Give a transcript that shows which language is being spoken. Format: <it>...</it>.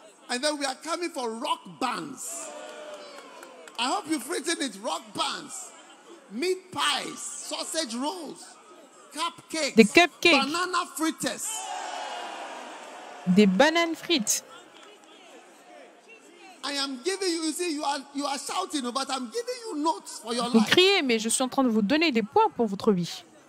<fr>Et puis nous venons pour</fr> <en>rock bands. I hope you've written it. Rock bands, meat pies, sausage rolls, cupcakes,</en> <fr>des cupcakes,</fr> <en>banana frites,</en> <fr>des bananes frites.</fr> <en>I am giving you. You see, you are shouting, but I'm giving you notes for your life.</en> <fr>Vous criez, mais je suis en train de vous donner des points pour votre vie.</fr>